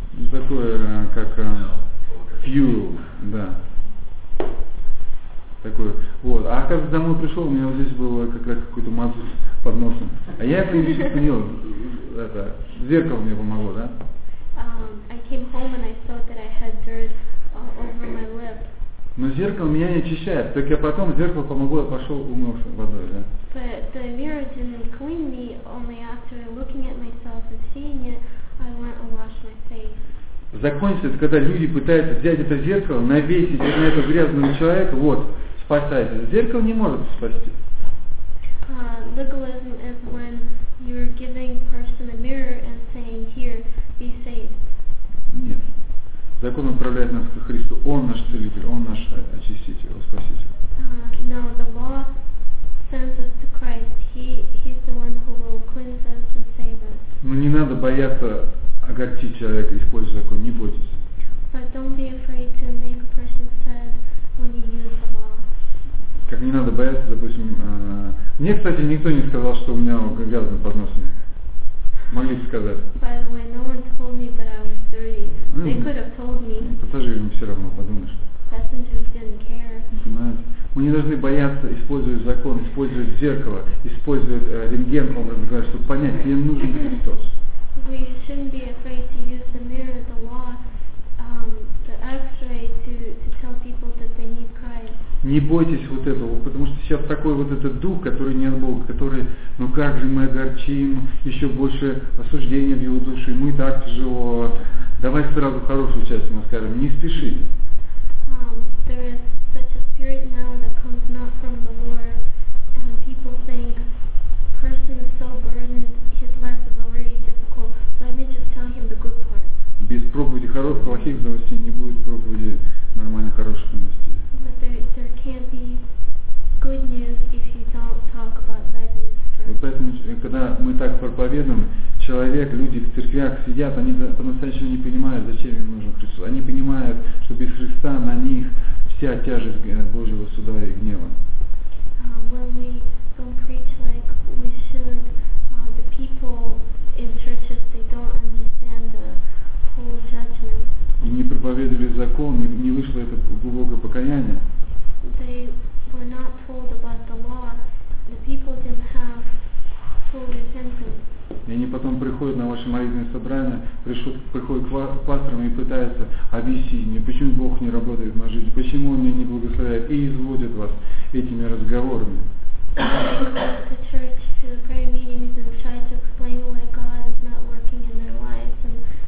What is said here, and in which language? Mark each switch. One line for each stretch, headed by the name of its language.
Russian: такое, как fuel, да. Такое. Вот. А как домой пришел, у меня вот здесь было как раз какое-то масло под носом. А я это лично понял, это зеркало мне помогло, да?
English: I came home and I saw that I had dirt over my lip.
Russian: Но зеркало меня не очищает, так я потом зеркало помогло, я пошел умылся водой, да?
English: But the mirror didn't clean me, only after looking at myself and seeing it, I went and washed my face.
Russian: Закончится, когда люди пытаются взять это зеркало, навесить на этого грязного человека, вот, спасайся. Зеркало не может спасти.
English: Legalism is when you're giving person a mirror and saying, here, be saved.
Russian: Нет. Закон управляет нас ко Христу. Он наш целитель, он наш очиститель, он спаситель.
English: No, the law sends us to Christ. He's the one who will cleanse us and save us.
Russian: Но не надо бояться огорчить человека, используя закон, не бойтесь.
English: But don't be afraid to make a person sad when you use the law.
Russian: Как не надо бояться, допустим, мне, кстати, никто не сказал, что у меня грязный под носом. Могли бы сказать.
English: By the way, no one told me that I was dirty. They could have told me.
Russian: Пассажирам все равно, подумаешь.
English: Passengers didn't care.
Russian: Понимаете? Мы не должны бояться использовать закон, использовать зеркало, использовать рентген, образно говоря, чтобы понять, где нужен Христос.
English: We shouldn't be afraid to use the mirror, the law, the x-ray to tell people that they need Christ.
Russian: Не бойтесь вот этого, потому что сейчас такой вот этот дух, который не от Бога, который, ну как же мы огорчим, еще больше осуждения в его душе, ему и так тяжело. Давай сразу хорошую часть ему скажем, не спеши.
English: There is such a spirit now that comes not from the Lord, and people think, person is so burdened, his life is already difficult, let me just tell him the good part.
Russian: Без проповеди хороших, плохих новостей не будет проповеди нормально хороших новостей.
English: There can't be good news if you don't talk about bad news first.
Russian: Вот поэтому, когда мы так проповедуем, человек, люди в церквях сидят, они по-настоящему не понимают, зачем им нужен Христос. Они понимают, что без Христа на них вся тяжесть Божьего суда и гнева.
English: When we don't preach like we should, the people in churches, they don't understand the whole judgment.
Russian: И не проповедовали закон, не вышло это глубокое покаяние.
English: They were not told about the law. The people didn't have full repentance.
Russian: И они потом приходят на ваши молитвенные собрания, приходят к пасторам и пытаются объяснить мне, почему Бог не работает в моей жизни, почему Он меня не благословляет, и изводят вас этими разговорами.
English: The church to the prayer meetings and try to explain why God is not working in their lives and